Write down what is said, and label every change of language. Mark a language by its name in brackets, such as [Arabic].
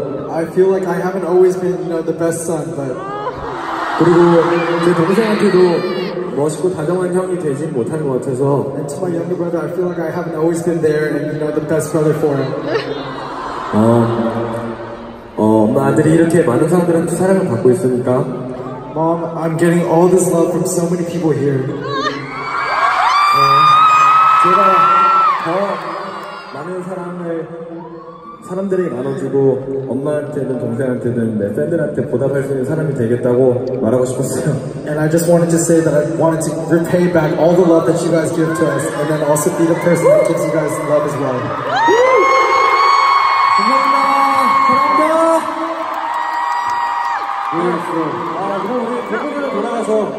[English] I feel like I haven't always been, you know, the best son, but. [Korean] 그리고 제 동생한테도 멋있고 다정한 형이 되지 못한 것 같아서. [English] And to my younger brother, I feel like I haven't always been there and, you know, the best brother for him. [Korean] 엄마 아들이 이렇게 많은 사람들한테 사랑을 받고 있으니까. [English] Mom, I'm getting all this love from so many people here. [Korean] 제가 더 많은 사람들이 나눠주고 엄마한테든 동생한테든 내 팬들한테 보답할 수 있는 사람이 되겠다고 말하고 싶었어요. [English] And I just wanted to say that I wanted to repay back all the love that you guys give to us and then also be the person that gives you guys love as well. [Korean] 감사합니다. 감사합니다.